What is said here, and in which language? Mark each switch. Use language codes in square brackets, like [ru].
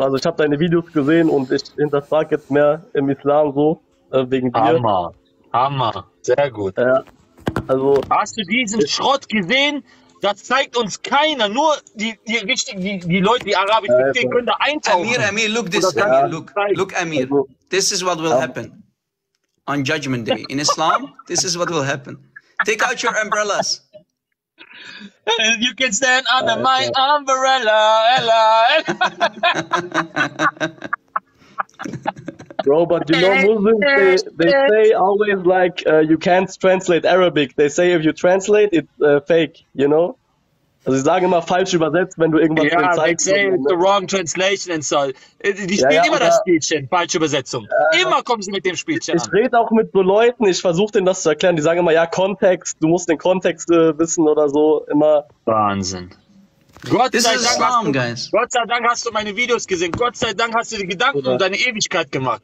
[de] Also ich habe deine Videos gesehen und ich hinterfrage jetzt mehr im Islam so, wegen dir. Hammer. Sehr gut. Ja, also, hast du diesen Schrott gesehen? Das zeigt uns keiner. Nur die Leute, die Arabisch sind, können da eintauchen. [en] Amir, look this. Look, Amir. Also, this is what will happen on Judgment Day. In Islam, this is what will happen. Take out your umbrellas. You can stand under my umbrella. Ella. Bro, but you know Muslims, they say always like you can't translate Arabic. They say if you translate, it's fake, you know? [de] Also, sie sagen immer falsch übersetzt, wenn du irgendwas [en] yeah, [de] zeigst. Ja, [en] they say the wrong translation and so. [de] Die spielen immer das Spielchen, falsche Übersetzung. Immer kommen sie mit dem Spielchen Ich rede auch mit so Leuten, ich versuche denen das zu erklären. Die sagen immer, ja, Kontext, du musst den Kontext wissen oder so. Immer. Wahnsinn. Gott sei Dank hast du meine Videos gesehen. Gott sei Dank hast du die Gedanken um deine Ewigkeit gemacht.